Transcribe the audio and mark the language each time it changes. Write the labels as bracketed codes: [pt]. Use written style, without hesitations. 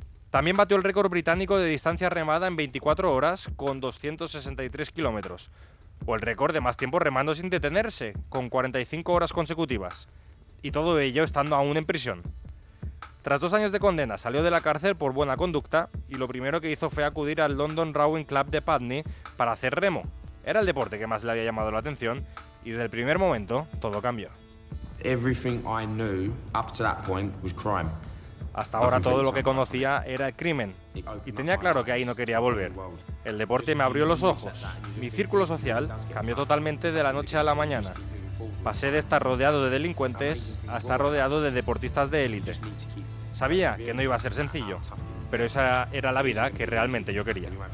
[es] También batió el récord británico de distancia remada en 24 horas con 263 kilómetros, o el récord de más tiempo remando sin detenerse, con 45 horas consecutivas, y todo ello estando aún en prisión. Tras 2 años de condena, salió de la cárcel por buena conducta y lo primero que hizo fue acudir al London Rowing Club de Putney para hacer remo. Era el deporte que más le había llamado la atención y desde el primer momento todo cambió. [en] Everything I knew up to that point was crime. [es] Hasta ahora todo lo que conocía era el crimen y tenía claro que ahí no quería volver. El deporte me abrió los ojos. Mi círculo social cambió totalmente de la noche a la mañana. Pasé de estar rodeado de delincuentes a estar rodeado de deportistas de élite. Sabía que no iba a ser sencillo, pero esa era la vida que realmente yo quería.